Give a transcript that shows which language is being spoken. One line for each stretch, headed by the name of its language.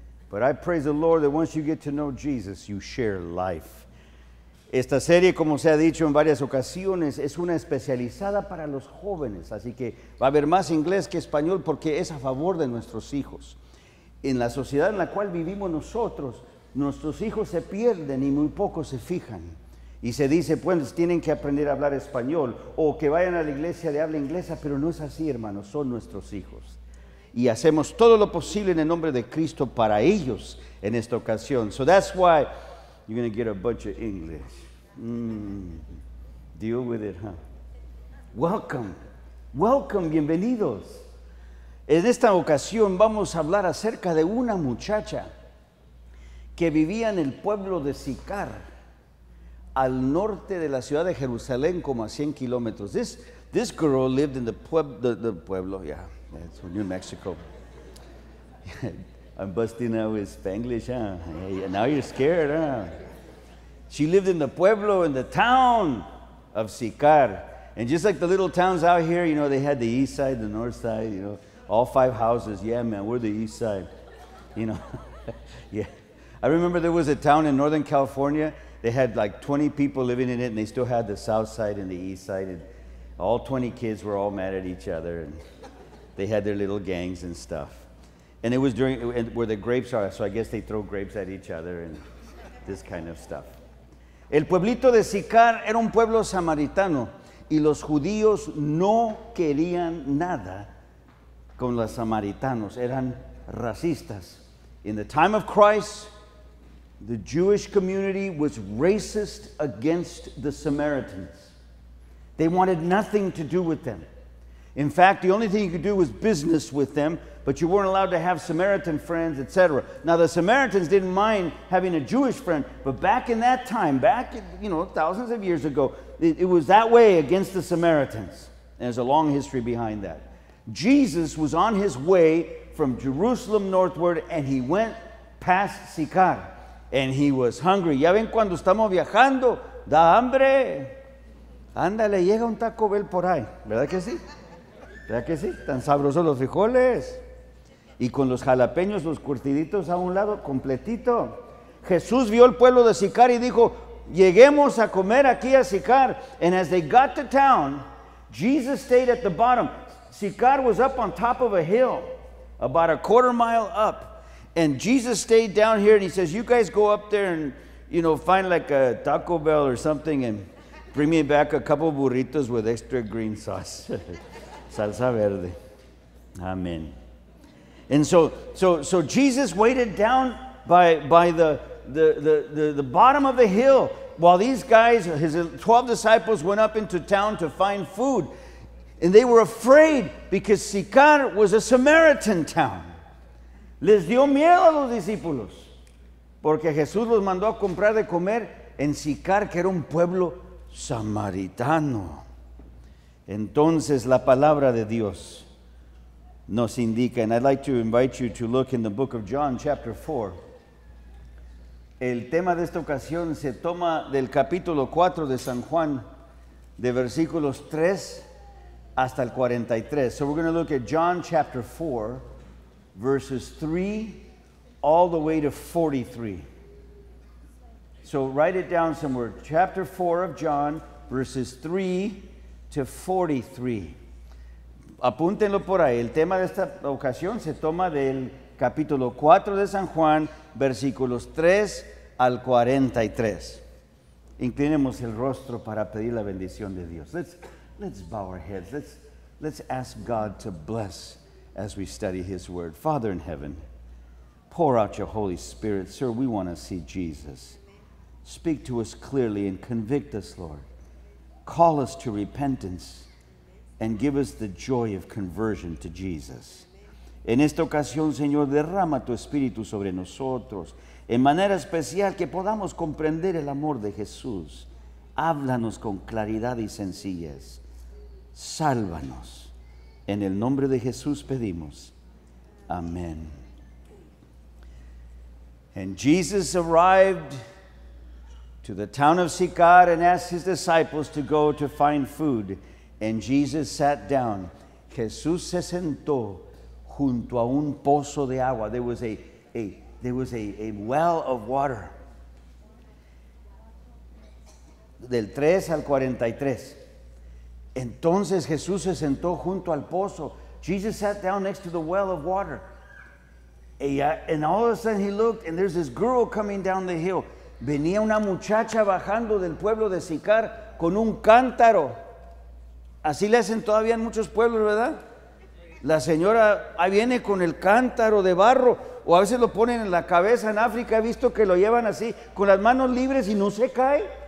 English: But I praise the Lord that once you get to know Jesus, you share life.
Spanish: Esta serie, como se ha dicho en varias ocasiones, es una especializada para los jóvenes. Así que va a haber más inglés que español porque es a favor de nuestros hijos. En la sociedad en la cual vivimos nosotros, nuestros hijos se pierden y muy pocos se fijan. Y se dice, pues tienen que aprender a hablar español o que vayan a la iglesia de habla inglesa. Pero no es así, hermanos, son nuestros hijos. Y hacemos todo lo posible en el nombre de Cristo para ellos en esta ocasión.
English: So that's why... You're going to get a bunch of English. Deal with it, huh? Welcome. Welcome,
Spanish: bienvenidos. En esta ocasión vamos a hablar acerca de una muchacha que vivía en el pueblo de Sicar, al norte de la ciudad de Jerusalén, como a 100 kilómetros.
English: This girl lived in the pueblo, yeah, it's New Mexico. I'm busting out with Spanglish, huh? Yeah, now you're scared, huh? She lived in the pueblo, in the town of Sicar. And just like the little towns out here, you know, they had the east side, the north side, you know, all five houses. Yeah, man, we're the east side, you know. Yeah. I remember there was a town in Northern California. They had like 20 people living in it, and they still had the south side and the east side. And all 20 kids were all mad at each other, and they had their little gangs and stuff. And it was during where the grapes are, so I guess they throw grapes at each other and this kind of stuff.
Spanish: El pueblito de Sicar era un pueblo samaritano y los judíos no querían nada con los samaritanos. Eran racistas.
English: In the time of Christ, the Jewish community was racist against the Samaritans. They wanted nothing to do with them. In fact, the only thing you could do was business with them, but you weren't allowed to have Samaritan friends, etc. Now, the Samaritans didn't mind having a Jewish friend, but back in that time, back, you know, thousands of years ago, it was that way against the Samaritans. And there's a long history behind that. Jesus was on his way from Jerusalem northward, and he went past Sicar, and he was hungry.
Spanish: Ya ven cuando estamos viajando, da hambre. Ándale, llega un Taco Bell por ahí. ¿Verdad que sí? ¿Verdad que sí? Tan sabrosos los frijoles. Y con los jalapeños, los curtiditos a un lado, completito. Jesús vio el pueblo de Sicar y dijo, lleguemos a comer aquí a Sicar.
English: And as they got to town, Jesus stayed at the bottom. Sicar was up on top of a hill, about a quarter mile up. And Jesus stayed down here and he says, you guys go up there and, you know, find like a Taco Bell or something and bring me back a couple of burritos with extra green sauce.
Spanish: Salsa verde.
English: Amen. And so Jesus waited down by the bottom of the hill while these guys, his 12 disciples, went up into town to find food. And they were afraid because Sicar was a Samaritan town.
Spanish: Les dio miedo a los discípulos porque Jesús los mandó a comprar de comer en Sicar, que era un pueblo samaritano. Entonces, la palabra de Dios nos indica,
English: and I'd like to invite you to look in the book of John, chapter 4.
Spanish: El tema de esta ocasión se toma del capítulo 4 de San Juan, de versículos 3 hasta el 43.
English: So we're going to look at John, chapter 4, verses 3 all the way to 43. So write it down somewhere. Chapter 4 of John, verses 3 to 43.
Spanish: Apúntenlo por ahí. El tema de esta ocasión se toma del capítulo 4 de San Juan, versículos 3 al 43. Inclinemos el rostro para pedir la bendición de Dios.
English: Let's bow our heads. Let's ask God to bless as we study His Word. Father in heaven, pour out your Holy Spirit. Sir, we want to see Jesus. Speak to us clearly and convict us, Lord. Call us to repentance and give us the joy of conversion to Jesus.
Spanish: En esta ocasión, Señor, derrama tu Espíritu sobre nosotros en manera especial que podamos comprender el amor de Jesús. Háblanos con claridad y sencillez. Sálvanos. En el nombre de Jesús pedimos. Amén.
English: And Jesus arrived to the town of Sychar and asked his disciples to go to find food. And Jesus sat down.
Spanish: Jesús se sentó junto a un pozo de agua.
English: There was a well of water.
Spanish: Del 3 al 43. Entonces Jesús se sentó junto al pozo.
English: Jesus sat down next to the well of water. And all of a sudden he looked, and there's this girl coming down the hill.
Spanish: Venía una muchacha bajando del pueblo de Sicar con un cántaro. Así le hacen todavía en muchos pueblos, ¿verdad? La señora ahí viene con el cántaro de barro, o a veces lo ponen en la cabeza. En África he visto que lo llevan así, con las manos libres, y no se cae.